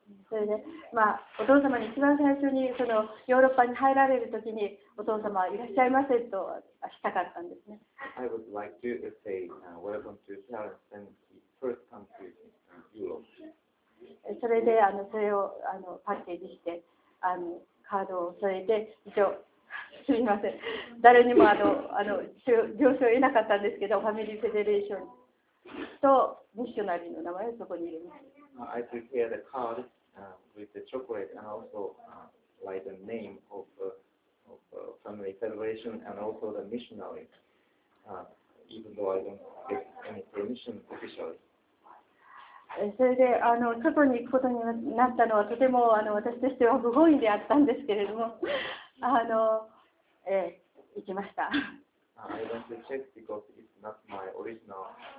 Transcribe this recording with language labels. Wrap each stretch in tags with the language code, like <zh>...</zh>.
<ja>それで、まあ、お父様に一番最初にそのヨーロッパに入られるときにお父様はいらっしゃいませとしたかったんですね。</ja> <en>I would like to say welcome to parents when he first come to Europe.</en> <ja>それでそれをパッケージしてカードを添えて一応すみません誰にも了承を得なかったんですけどファミリーフェデレーションとミッショナリーの名前をそこに入れます。</ja> <en>I prepared a card with the chocolate and also write the name of family federation and also the missionary, even though I don't get any permission officially.</en> <ja>それで外に行くことになったのはとても私としては不本意であったんですけれども、行きました。</ja> <en>I went to check because it's not my original.</en>